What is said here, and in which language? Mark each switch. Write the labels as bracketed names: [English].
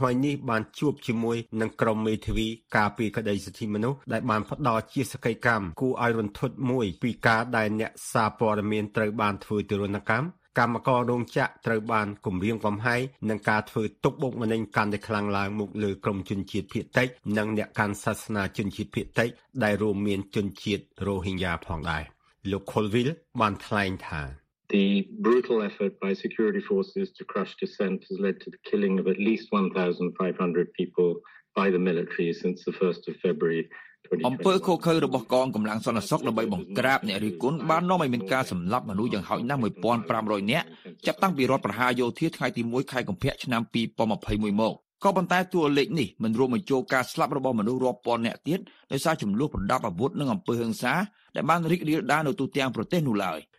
[Khmer] ៗនេះបានជួបជាមួយនឹងក្រុមមេធាវីការពារក្តីសិទ្ធិមនុស្សដែលបានផ្ដល់ជាសក្ខីកម្មគូឲ្យរន្ធត់មួយពីការដែលអ្នកសារព័ត៌មានត្រូវបានធ្វើទារុណកម្មកម្មកររោងចក្រត្រូវបានគំរាមកំហែងនឹងការធ្វើទុកបុកម្នេញកាន់តែខ្លាំងឡើងមុខលើក្រុមជនជាតិភាគតិចនិងអ្នកកាន់សាសនាជនជាតិភាគតិចដែលរួមមានជនជាតិរ៉ូហីងយ៉ាផងដែរលោក Colville បានថ្លែងថា [English] The brutal effort by security forces to crush dissent has led to the killing of at least 1500 people by the military since the 1st of February. [Khmer] អំពើឃោឃៅរបស់កងកម្លាំងសន្តិសុខដើម្បីបង្ក្រាបអ្នករិះគន់បាននាំឲ្យមានការសម្លាប់មនុស្សយ៉ាងហោចណាស់1500នាក់ចាប់តាំងពីរដ្ឋប្រហារយោធាថ្ងៃទី1ខែកុម្ភៈឆ្នាំ2021មកក៏ប៉ុន្តែតួលេខនេះមិនរួមបញ្ចូលការស្លាប់របស់មនុស្សរាប់ពាន់នាក់ទៀតដោយសារចំនួនប្រដាប់អាវុធនិងអំពើហិង្សាដែលបានរីករាលដាលនៅទូទាំងប្រទេសនោះឡើយ